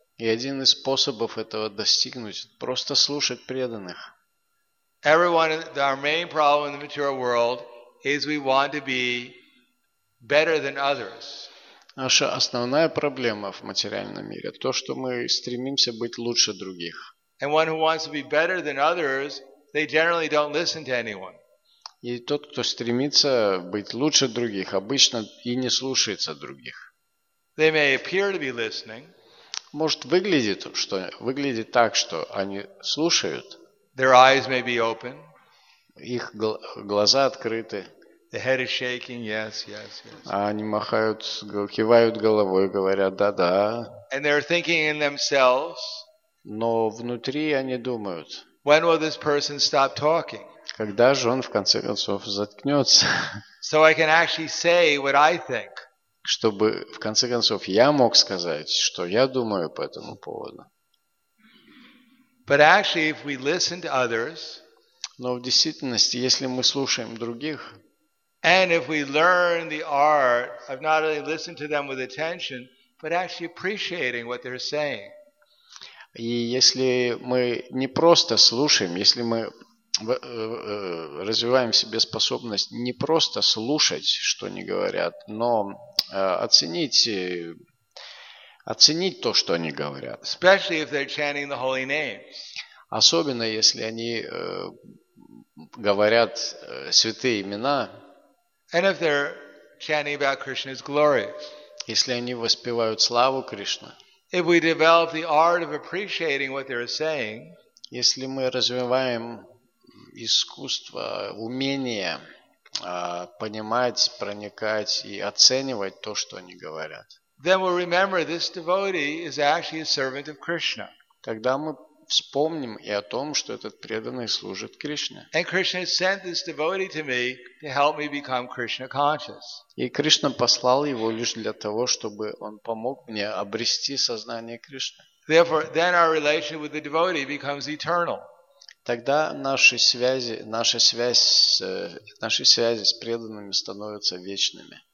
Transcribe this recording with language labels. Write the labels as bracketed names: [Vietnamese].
[Russian] И один из способов этого достигнуть – просто слушать преданных. [English] Everyone, our main problem in the material world is we want to be better than others. [Russian] Наша основная проблема в материальном мире – то, что мы стремимся быть лучше других. [English] And one who wants to be better than others, they generally don't listen to anyone. [Russian] И тот, кто стремится быть лучше других, обычно и не слушается других. [English] They may appear to be listening. [Russian] Может, выглядит так, что они слушают. [English] Their eyes may be open. [Russian] Их глаза открыты. [English] The head is shaking, yes, yes, yes. [Russian] А они махают, кивают головой, говорят, да-да. [English] And they're thinking in themselves. [Russian] Но внутри они думают. [English] When will this person stop talking? [Russian] Когда же он в конце концов заткнется? [English] So I can actually say what I think. [Russian] Чтобы в конце концов я мог сказать, что я думаю по этому поводу. [English] But actually, if we listen to others, [Russian] но в действительности, если мы слушаем других, [English] and if we learn the art of not only listening to them with attention, but actually appreciating what they're saying. [Russian] И если мы не просто слушаем, если мы развиваем в себе способность не просто слушать, что они говорят, но оценить то, что они говорят. [English] Especially if they're chanting the holy names. [Russian] Особенно если они говорят святые имена. [English] And if they're chanting about Krishna's glory. [Russian] Если они воспевают славу Кришны. [English] If we develop the art of appreciating what they're saying, [Russian] если мы развиваем искусство, умение понимать, проникать и оценивать то, что они говорят, [English] then we'll remember this devotee is actually a servant of Krishna. [Russian] Тогда мы вспомним и о том, что этот преданный служит Кришне. [English] And Krishna sent this devotee to me to help me become Krishna conscious. [Russian] И Кришна послал его лишь для того, чтобы он помог мне обрести сознание Кришны. [English] Therefore, then our relationship with the devotee becomes eternal. [Russian] Тогда наши связи с преданными становятся вечными.